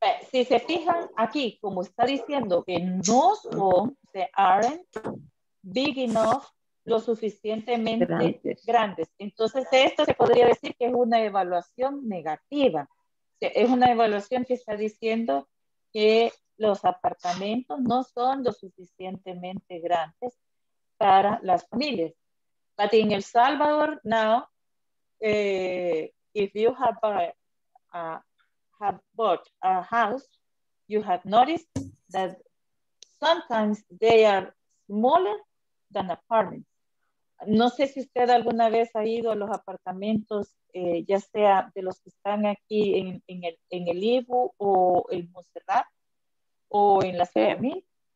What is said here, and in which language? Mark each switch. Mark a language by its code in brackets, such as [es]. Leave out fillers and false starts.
[es] Si se fijan aquí, como está diciendo que no son, se [en] aren't big enough, [es] lo suficientemente grandes. Entonces, esto se podría decir que es una evaluación negativa. Es una evaluación que está diciendo que los apartamentos no son lo suficientemente grandes para las familias. [en] But in El Salvador, now, if you have bought a house, you have noticed that sometimes they are smaller than apartments. [es] No sé si usted alguna vez ha ido a los apartamentos, ya sea de los que están aquí en el Ibu o en Montserrat o en la Ciudad de Mil.